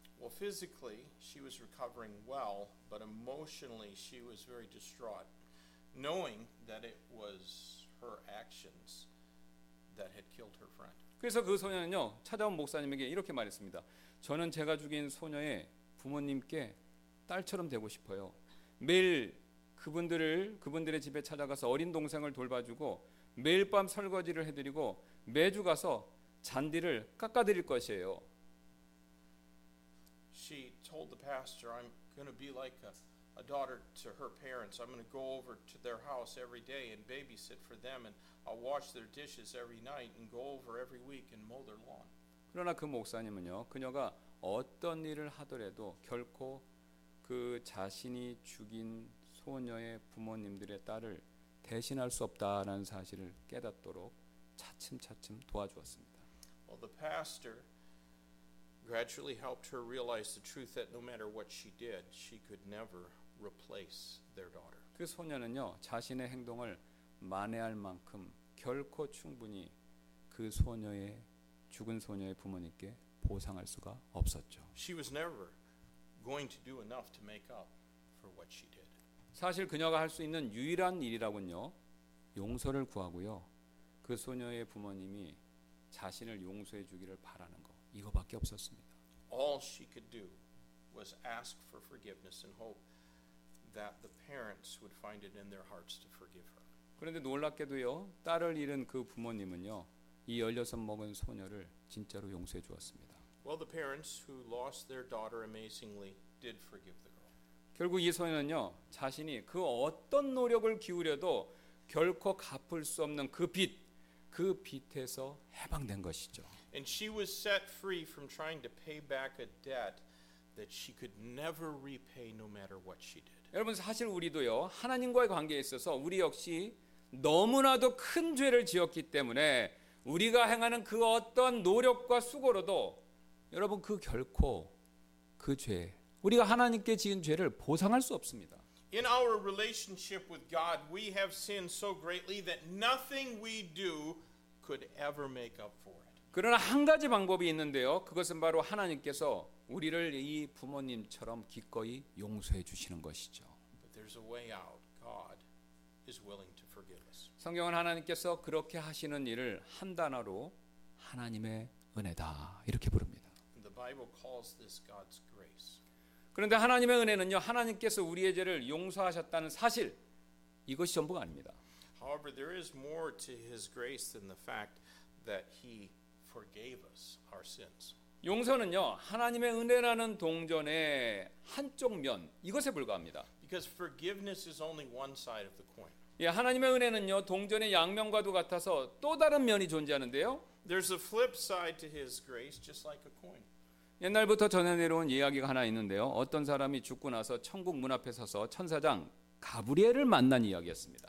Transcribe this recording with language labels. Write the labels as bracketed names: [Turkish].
[English] Well, physically she was recovering well, but emotionally she was very distraught, knowing that it was her actions that had killed her friend. [Korean] 그래서 그 소녀는요 찾아온 목사님에게 이렇게 말했습니다. 저는 제가 죽인 소녀의 부모님께 딸처럼 되고 싶어요. 매일 그분들의 집에 찾아가서 어린 동생을 돌봐주고 매일 밤 설거지를 해드리고 매주 가서 잔디를 깎아드릴 것이에요. [English] She told the pastor, "I'm going to be like a daughter to her parents. I'm going to go over to their house every day and babysit for them, and I'll wash their dishes every night and go over every week and mow their lawn." [Korean] 그러나 그 목사님은요, 그녀가 어떤 일을 하더라도 결코 그 자신이 죽인 소녀의 부모님들의 딸을 대신할 수 없다라는 사실을 깨닫도록 차츰차츰 도와주었습니다. [English] Well, the pastor gradually helped her realize the truth that no matter what she did, she could never replace their daughter. [Korean] 그 소녀는요, 자신의 행동을 만회할 만큼 결코 충분히 그 소녀의 죽은 소녀의 부모님께 보상할 수가 없었죠. [English] She was never going to do enough to make up for what she did. [Korean] 사실 그녀가 할 수 있는 유일한 일이라곤요. 용서를 구하고요. 그 소녀의 부모님이 자신을 용서해 주기를 바라는 거. 이거밖에 없었습니다. [English] All she could do was ask for forgiveness and hope that the parents would find it in their hearts to forgive her. [Korean] 그런데 놀랍게도요. 딸을 잃은 그 부모님은요. 이 16 먹은 소녀를 진짜로 용서해 주었습니다. [English] Well, the parents who lost their daughter amazingly did forgive the girl. [Korean] 결국 이 소녀는요, 자신이 그 어떤 노력을 기울여도 결코 갚을 수 없는 그 빚에서 해방된 것이죠. [English] And she was set free from trying to pay back a debt that she could never repay no matter what she did. [Korean] 여러분 사실 우리도요, 하나님과의 관계에 있어서 우리 역시 너무나도 큰 죄를 지었기 때문에 우리가 행하는 그 어떤 노력과 수고로도 여러분 그 결코 그 죄 우리가 하나님께 지은 죄를 보상할 수 없습니다. [English] In our relationship with God, we have sinned so greatly that nothing we do could ever make up for it. [Korean] 그러나 한 가지 방법이 있는데요. 그것은 바로 하나님께서 우리를 이 부모님처럼 기꺼이 용서해 주시는 것이죠. [English] But there's a way out. God is willing to forgive us. [Korean] 성경은 하나님께서 그렇게 하시는 일을 한 단어로 하나님의 은혜다 이렇게 부릅니다. [English] Bible calls this God's grace. [Korean] 그런데 하나님의 은혜는요, 하나님께서 우리의 죄를 용서하셨다는 사실 이것이 전부가 아닙니다. [English] However, there is more to His grace than the fact that He forgave us our sins. [Korean] 용서는요, 하나님의 은혜라는 동전의 한쪽 면 이것에 불과합니다. [English] Because forgiveness is only one side of the coin. [Korean] 예, 하나님의 은혜는요, 동전의 양면과도 같아서 또 다른 면이 존재하는데요. [English] There's a flip side to His grace, just like a coin. [Korean] 옛날부터 전해 내려온 이야기가 하나 있는데요. 어떤 사람이 죽고 나서 천국 문 앞에 서서 천사장 가브리엘을 만난 이야기였습니다.